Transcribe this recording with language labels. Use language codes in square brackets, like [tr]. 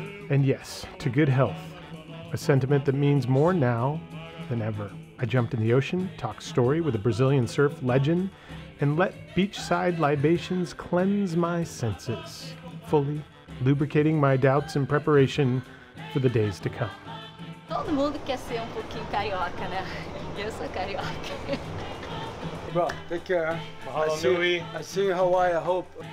[en] And yes, to good health, a sentiment that means more now than ever. I jumped in the ocean, talked story with a Brazilian surf legend, and let beachside libations cleanse my senses, fully lubricating my doubts in preparation for the days to come. [pt] Todo mundo quer ser pouquinho carioca, né? Eu sou carioca. [en] Bro, take care. [haw] Mahalo, Nui. [en] I see you in Hawaii, I hope.